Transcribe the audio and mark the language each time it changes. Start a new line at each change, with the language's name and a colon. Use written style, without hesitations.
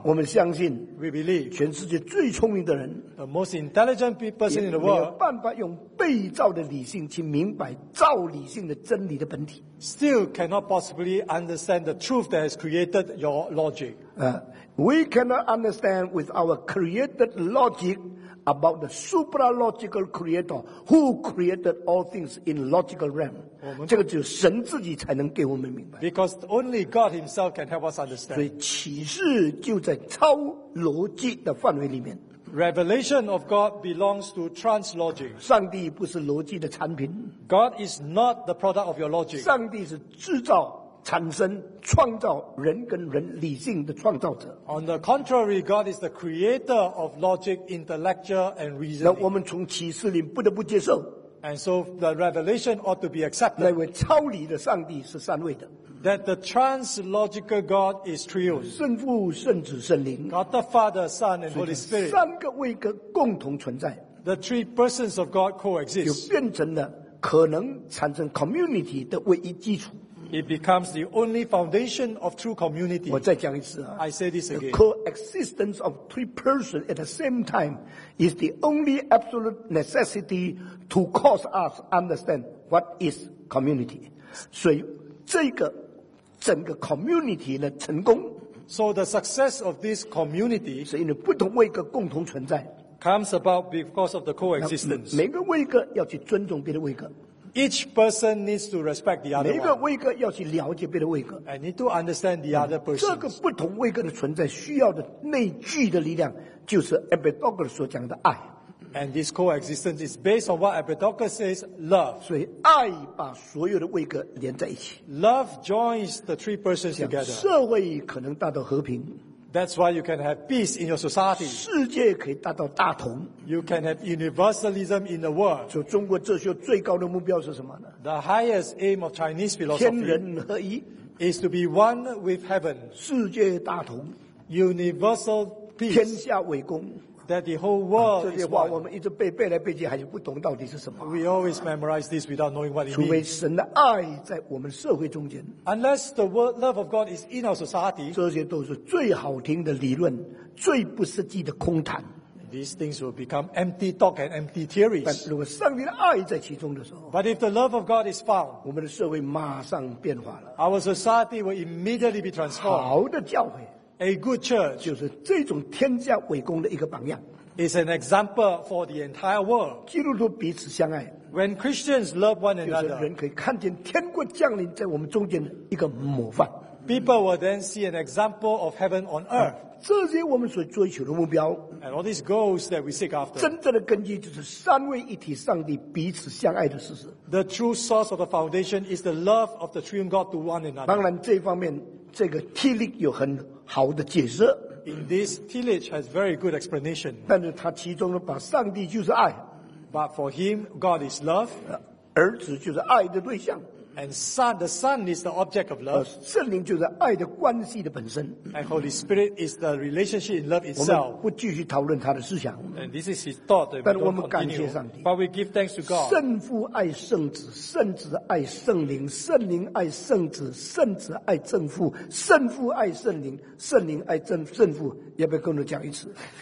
Chinese: 我们相信
English: We believe
Chinese: 全世界最聪明的人
English: The most intelligent person in the world
Chinese: 也没有办法用被造的理性去明白造理性的真理的本体。
English: Still cannot possibly understand the truth that has created your logic. We cannot understand with our created logic about the supralogical creator who created all things in logical realm.
Chinese: 这个就是神自己才能给我们明白。
English: Because only God himself can help us understand.
Chinese: 所以启示就在超逻辑的范围里面。
English: Revelation of God belongs to translogic.
Chinese: 上帝不是逻辑的产品。
English: God is not the product of your logic.
Chinese: 上帝是制造产生创造人跟人理性的创造者
English: On the contrary, God is the creator of logic, intellectual and reasoning
Chinese: 那我们从启示里不得不接受
English: And so the revelation ought to be accepted.
Chinese: 那位超理的上帝是三位的。
English: That the translogical God is trio.
Chinese: 圣父、圣子、圣灵。
English: God the Father, Son, and Holy Spirit.
Chinese: 三个位格共同存在。
English: The three persons of God coexist.
Chinese: 就变成了可能产生 community 的唯一基础。
English: It becomes the only foundation of true community.
Chinese: 我再讲一次啊。
English: I say this again. The coexistence of three persons at the same time is the only absolute necessity to cause us understand what is community.
Chinese: 所以这个整个 community 的成功。
English: So the success of this community.
Chinese: 是因为不同位格共同存在。
English: Comes about because of the coexistence.
Chinese: 每个位格要去尊重别的位格。
English: Each person needs to respect the other one.
Chinese: 每个位格要去了解别的位格。
English: And need to understand the other person.
Chinese: 这个不同位格的存在需要的内聚的力量就是 Epictetus 所讲的爱。
English: And this coexistence is based on what Epictetus says, love.
Chinese: 所以爱把所有的位格连在一起。
English: Love joins the three persons together.
Chinese: 社会可能达到和平。
English: That's why you can have peace in your society.
Chinese: 世界可以达到大同。
English: You can have universalism in the world.
Chinese: 就中国哲学最高的目标是什么呢？
English: The highest aim of Chinese philosophy.
Chinese: 天人合一。
English: Is to be one with heaven.
Chinese: 世界大同。
English: Universal peace.
Chinese: 天下为公。
English: That the whole world.
Chinese: 这些话我们一直背，背来背去还是不懂到底是什么。
English: We always memorize this without knowing what it means.
Chinese: 除非神的爱在我们社会中间。
English: Unless the love of God is in our society.
Chinese: 这些都是最好听的理论，最不实际的空谈。
English: These things will become empty talk and empty theories.
Chinese: 但如果上帝的爱在其中的时候。
English: But if the love of God is found.
Chinese: 我们的社会马上变化了。
English: Our society will immediately be transformed.
Chinese: 好的教会。
English: A good church
Chinese: 就是这种天下为公的一个榜样。
English: Is an example for the entire world.
Chinese: 基督徒彼此相爱。
English: When Christians love one another,
Chinese: 就是人可以看见天国降临在我们中间的一个模范。
English: People will then see an example of heaven on earth.
Chinese: 这些我们所追求的目标。
English: And all these goals that we seek after.
Chinese: 真正的根基就是三位一体上帝彼此相爱的事实。
English: The true source of the foundation is the love of the triune God to one another.
Chinese: 当然这方面这个 Tillich 有很好的解释。
English: In this, Tillich has very good explanation.
Chinese: 但是他其中把上帝就是爱。
English: But for him, God is love.
Chinese: 儿子就是爱的对象。
English: And son, the son is the object of love.
Chinese: 圣灵就是爱的关系的本身。
English: And Holy Spirit is the relationship in love itself.
Chinese: 我们不继续讨论他的思想。
English: And this is his thought.
Chinese: 但我们感谢上帝。
English: But we give thanks to God.
Chinese: 圣父爱圣子，圣子爱圣灵，圣灵爱圣子，圣子爱圣父，圣父爱圣灵，圣灵爱圣父。要不要跟我讲一次？